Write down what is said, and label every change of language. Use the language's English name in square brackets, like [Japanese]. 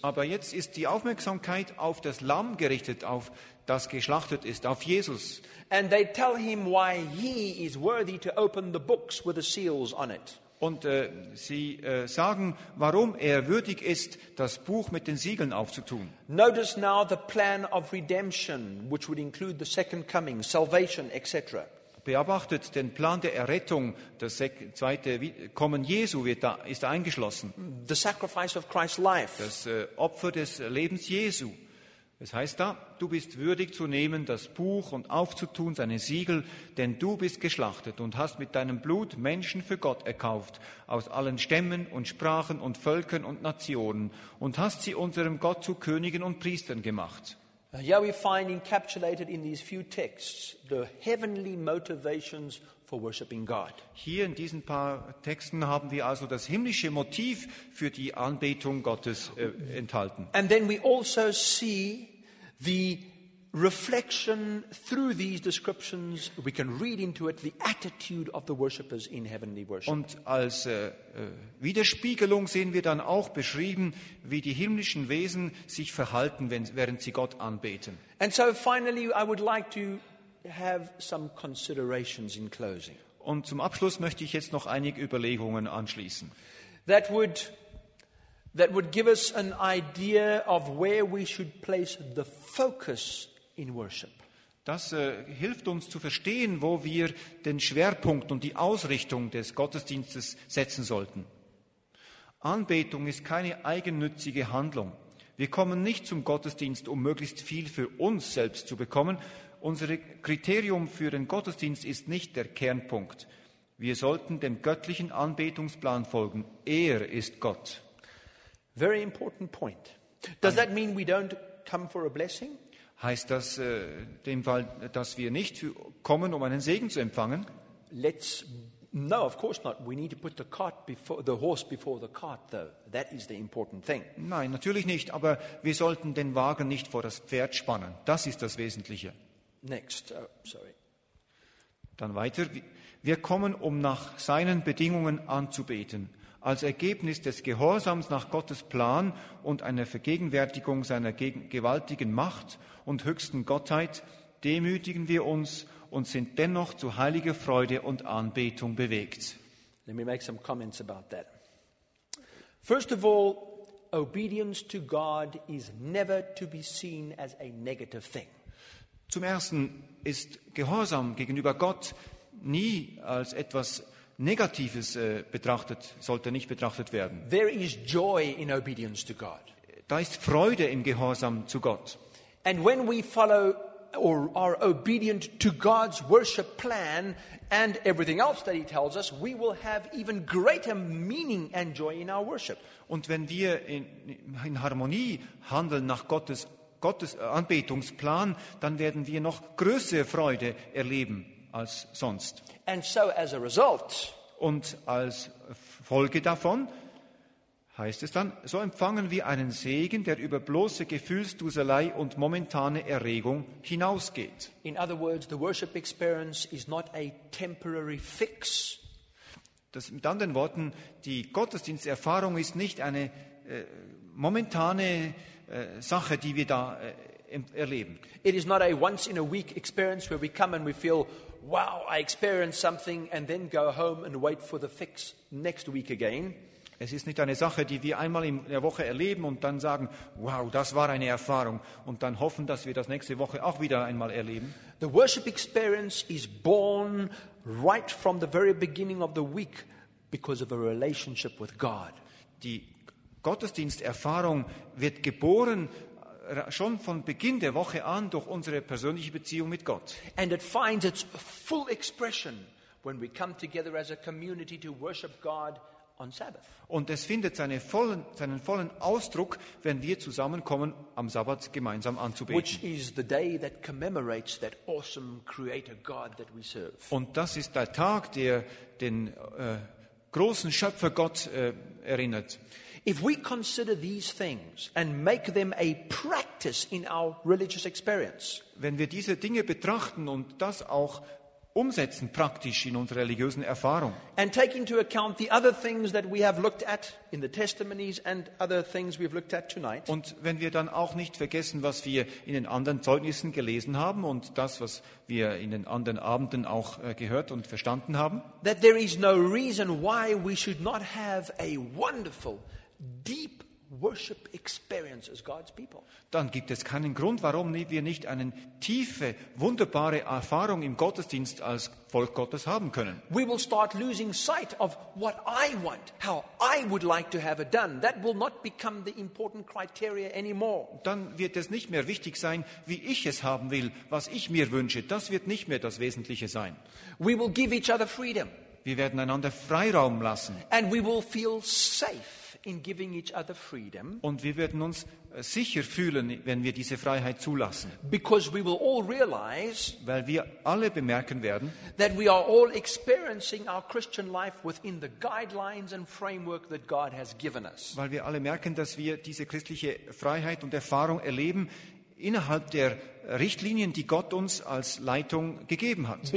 [German] Aber jetzt ist die Aufmerksamkeit auf das Lamm gerichtet, auf das geschlachtet ist, auf Jesus. [English] And they tell him why he is worthy to open the books with the seals on it. [German] Und sie sagen, warum er würdig ist, das Buch mit den Siegeln aufzutun. [English] Notice now the plan of redemption, which would include the second coming, salvation, etc. [German] Beobachtet den Plan der Errettung, das zweite Kommen Jesu ist da eingeschlossen. [English] The sacrifice of Christ's life. [German] Das Opfer des Lebens Jesu. Es heißt da, du bist würdig zu nehmen, das Buch und aufzutun, seine Siegel, denn du bist geschlachtet und hast mit deinem Blut Menschen für Gott erkauft, aus allen Stämmen und Sprachen und Völkern und Nationen, und hast sie unserem Gott zu Königen und Priestern gemacht. [English] Here we find encapsulated in these few texts the heavenly motivations for worshiping God. [German] Hier in diesen paar Texten haben wir also das himmlische Motiv für die Anbetung Gottes enthalten. [English] And then we also see the reflection through these descriptions, we can read into it the attitude of the worshippers in heavenly worship. [German] Und als Widerspiegelung sehen wir dann auch beschrieben, wie die himmlischen Wesen sich verhalten, während sie Gott anbeten. [English] And so finally, I would like to have some considerations in closing. [German] Und zum Abschluss möchte ich jetzt noch einige Überlegungen anschließen. [English] That would give us an idea of where we should place the focus in worship. [German] Das hilft uns zu verstehen, wo wir den Schwerpunkt und die Ausrichtung des Gottesdienstes setzen sollten. Anbetung ist keine eigennützige Handlung. Wir kommen nicht zum Gottesdienst, um möglichst viel für uns selbst zu bekommen. Unser Kriterium für den Gottesdienst ist nicht der Kernpunkt. Wir sollten dem göttlichen Anbetungsplan folgen. Er ist Gott. [English] Very important point. Does that mean we don't come for a blessing? [German] Heißt das dem Fall, dass wir nicht kommen, um einen Segen zu empfangen? [English] Let's No, of course not. We need to put the cart before the horse before the cart, though. That is the important thing. [German] Nein, natürlich nicht. Aber wir sollten den Wagen nicht vor das Pferd spannen. Das ist das Wesentliche. [English] Next, oh, sorry. [German] Dann weiter. Wir kommen, um nach seinen Bedingungen anzubeten. Als Ergebnis des Gehorsams nach Gottes Plan und einer Vergegenwärtigung seiner gewaltigen Macht und höchsten Gottheit demütigen wir uns und sind dennoch zu heiliger Freude und Anbetung bewegt. [English] Let me make some comments about that. First of all, obedience to God is never to be seen as a negative thing. [German] Zum Ersten ist Gehorsam gegenüber Gott nie als etwas Negatives betrachtet, sollte nicht betrachtet werden. [English] There is joy in obedience to God. [German] Da ist Freude im Gehorsam zu Gott. [English] And when we follow or are obedient to God's worship plan and everything else that he tells us, we will have even greater meaning and joy in our worship. [German] Und wenn wir in Harmonie handeln nach Gottes Anbetungsplan, dann werden wir noch größere Freude erleben als sonst. [English] And so as a result, [German] und als Folge davon heißt es dann, so empfangen wir einen Segen, der über bloße Gefühlsduselei und momentane Erregung hinausgeht. [English] In other words, the worship experience is not a temporary fix. [German] Das, mit anderen Worten, die Gottesdiensterfahrung ist nicht eine momentane Sache, die wir da erleben. [English] It is not a once in a week experience where we come and we feel, wow, I experienced something and then go home and wait for the fix next week again. [German] Es ist nicht eine Sache, die wir einmal in der Woche erleben und dann sagen, wow, das war eine Erfahrung und dann hoffen, dass wir das nächste Woche auch wieder einmal erleben. [English] The worship experience is born right from the very beginning of the week because of a relationship with God. [German] Die Gottesdiensterfahrung wird geboren schon von Beginn der Woche an durch unsere persönliche Beziehung mit Gott. [English] And it finds its full expression when we come together as a community to worship God on Sabbath. [German] Und es findet seinen vollen Ausdruck, wenn wir zusammenkommen am Sabbat gemeinsam anzubeten. [English] Which is the day that commemorates that awesome creator God that we serve. [German] Und das ist der Tag, der den großen Schöpfer Gott erinnert. [English] If we consider these things and make them a practice in our religious experience. [German] Wenn wir diese Dinge betrachten und das auch umsetzen praktisch in unserer religiösen Erfahrung. [English] And take into account the other things that we have looked at in the testimonies and other things we've looked at tonight. [German] Und wenn wir dann auch nicht vergessen, was wir in den anderen Zeugnissen gelesen haben und das, was wir in den anderen Abenden auch gehört und verstanden haben. [English] That there is no reason why we should not have a wonderful, deep worship experience as God's people. [German] Dann gibt es keinen Grund, warum wir nicht eine tiefe, wunderbare Erfahrung im Gottesdienst als Volk Gottes haben können. [English] We will start losing sight of what I want, how I would like to have it done. That will not become the important criteria anymore. [German] Dann wird es nicht mehr wichtig sein, wie ich es haben will, was ich mir wünsche. Das wird nicht mehr das Wesentliche sein. [English] We will give each other freedom. [German] Wir werden einander Freiraum lassen. [English] And we will feel safe in giving each other freedom. [German] Und wir werden uns sicher fühlen, wenn wir diese Freiheit zulassen. [English] Because we will all realize, [German] weil wir alle bemerken werden, [English] that we are all experiencing our Christian life within the guidelines and framework that God has given us. [German] Weil wir alle merken, dass wir diese christliche Freiheit und Erfahrung erleben innerhalb der Richtlinien, die Gott uns als Leitung gegeben hat.